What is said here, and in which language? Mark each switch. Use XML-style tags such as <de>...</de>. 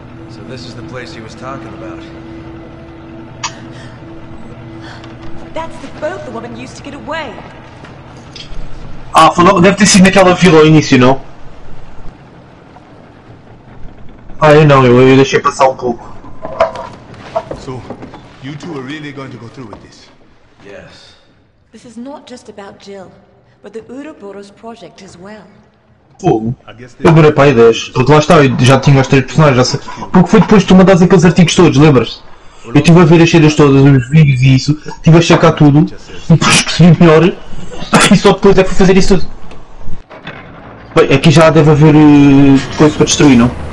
<en>So this is the place he was talking about. That's the boat the woman used to get away.</en> <pt>Ah, falou. Deve ter sido naquela vila ao início, não? Ah, eu não, eu deixei passar um pouco.</pt> <en>So, you two are really going to go through with this? Yes. This is not just about Jill, but the Ouroboros project as well.</en> <pt>Fogo. Eu adorei para a ideia. Lá está, eu já tinha as três personagens. Já porque foi depois que tu mandaste aqueles artigos todos, lembras? Eu estive a ver as cheiras todas, os vídeos e isso. Estive a checar tudo. E depois percebi melhor. E só depois é que fui fazer isso tudo. Bem, aqui já deve haver coisa para destruir, não?</pt>